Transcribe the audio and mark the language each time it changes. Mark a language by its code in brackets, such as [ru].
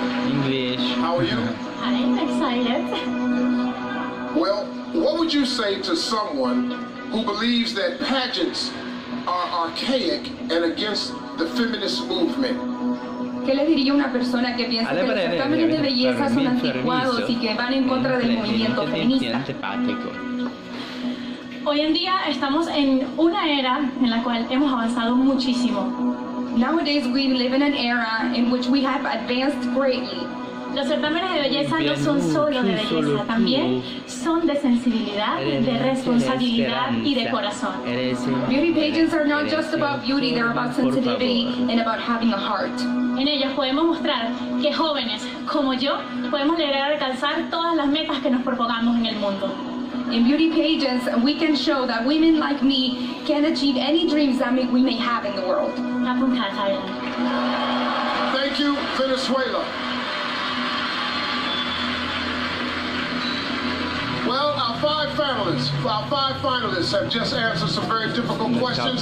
[en] English. How are you? Well, what would you say to someone who believes that pageants are archaic and against the feminist movement? [es] ¿Qué le diría una persona que piensa que los certámenes de belleza son anticuados y que van en contra del movimiento feminista? Hoy en día estamos en una era en la cual hemos avanzado muchísimo. [en] Nowadays we live in an era in which we have advanced greatly. [es] Los certámenes de belleza no son solo de belleza, también son de sensibilidad, de responsabilidad y de corazón. [en] Beauty pageants are not just about beauty, they're about sensitivity and about having a heart. [es] En ellas podemos mostrar que jóvenes como yo podemos lograr alcanzar todas las metas que nos propongamos en el mundo. [en] In beauty pageants, we can show that women like me can achieve any dreams that we may have in the world. Thank you, Venezuela. Well, our five finalists have just answered some very difficult questions.